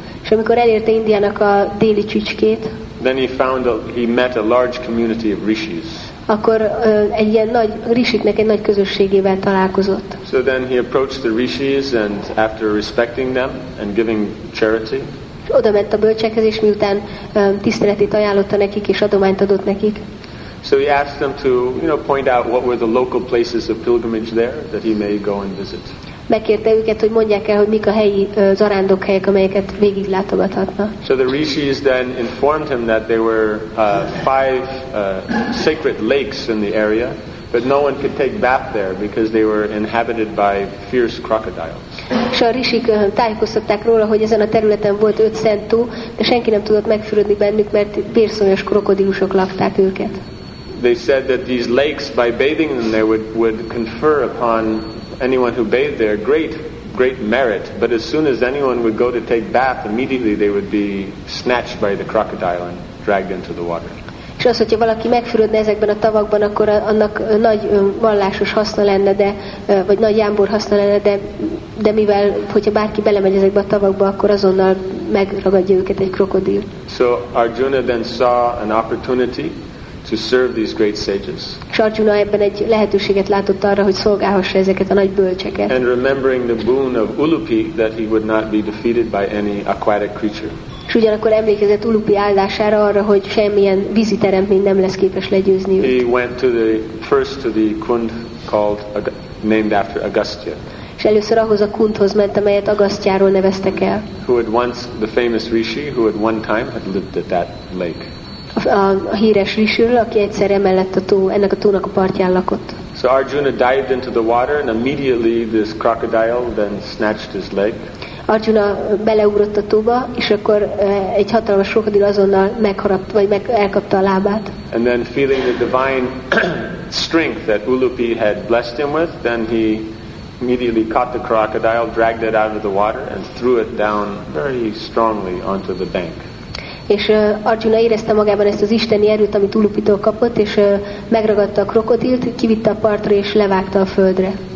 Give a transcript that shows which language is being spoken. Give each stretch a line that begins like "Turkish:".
Hungarian: És amikor elérte Indiának a déli csücskét.
English: Then he met a large community of rishis.
Hungarian: Akkor egy ilyen nagy rishiknek egy nagy közösségével találkozott.
English: So then he approached the rishis and after respecting them and giving charity.
Hungarian: Oda ment a bölcsekhez és miután tiszteletét ajánlotta nekik és adományt adott nekik.
English: So he asked them to, you know, point out what were the local places of pilgrimage there that he may go and visit.
Hungarian: Megkérte őket, hogy mondják el, hogy mik a helyi zarándokhelyek, amelyeket végig látogathatna.
English: So the rishis then informed him that there were five sacred lakes in the area, but no one could take bath there because they were inhabited by fierce crocodiles.
Hungarian: És a rishik tájékoztatták róla, hogy ezen a területen volt 5 szent tó, de senki nem tudott megfürödni bennük, mert vérszomjas krokodilusok lakták őket.
English: They said that these lakes, by bathing in them, they would confer upon anyone who bathed there great merit. But as soon as anyone would go to take bath, immediately they would be snatched by the crocodile and dragged into the water.
Hungarian: És az, hogyha valaki megfürödne ezekben a tavakban, akkor annak nagy vallásos haszna lenne, de vagy nagy jámbor haszna lenne, de mivel, hogyha bárki belemegy ezekbe a tavakba, akkor azonnal megragadja őket egy krokodil.
English: So Arjuna then saw an opportunity to serve these great sages.
Hungarian: Sarjuna ebben egy lehetőséget látott arra, hogy szolgálhassa ezeket a nagy bölcseket.
English: And remembering the boon of Ulupi that he would not be defeated by any aquatic creature.
Hungarian: És ugyanakkor emlékezett Ulupi áldására arra, hogy semmilyen vízi teremtmény nem lesz képes legyőzni őt.
English: He went to the first to the kund called named after Agastya.
Hungarian: És először ahhoz a kundhoz ment, amelyet Agasztjáról neveztek el.
English: Who had once the famous rishi who at one time had lived at that lake.
Hungarian: A híres rishiről, aki egyszer emellett a tó, ennek a tónak a partján lakott.
English: So Arjuna dived into the water and immediately this crocodile then snatched his leg.
Hungarian: Arjuna beleugrott a tóba, és akkor egy hatalmas krokodil azonnal megharapt, vagy elkapta a lábát.
English: And then feeling the divine strength that Ulupi had blessed him with, then he immediately caught the crocodile, dragged it out of the water, and threw it down very strongly onto the bank.
Hungarian: És Arjuna érezte magában ezt az isteni erőt, amit Ulupitól kapott, és megragadta a krokodilt, kivitte a partra, és levágta a földre.